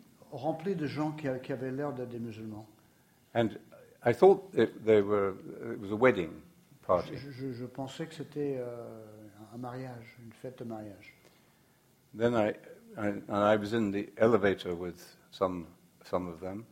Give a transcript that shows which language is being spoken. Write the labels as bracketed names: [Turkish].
[French] Rempli de gens qui avaient l'air d'être des musulmans. [English] And I thought it was a wedding party. [French] Je pensais que c'était un mariage, une fête de mariage. [English] Then I was in the elevator with some of them.